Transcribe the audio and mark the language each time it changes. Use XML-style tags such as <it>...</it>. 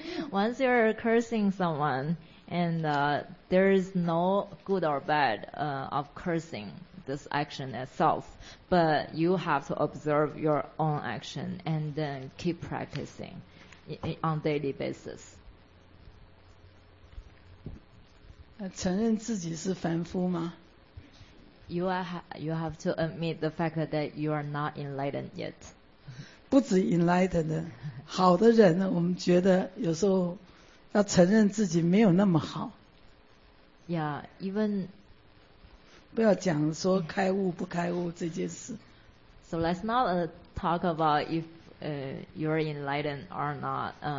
<en>Once you're cursing someone, and there is no good or bad of cursing this action itself, but you have to observe your own action and then keep practicing on a daily basis.</en> <zh>承认自己是凡夫吗？</zh> <en>You have to admit the fact that you are not enlightened yet.</en> <zh>不止 enlightened， 好的人呢，我们觉得有时候要承认自己没有那么好。</zh> <en>Yeah, even</en> <zh>不要讲说开悟不开悟这件事。</zh> <en>So let's not talk about if you are enlightened or not.</en>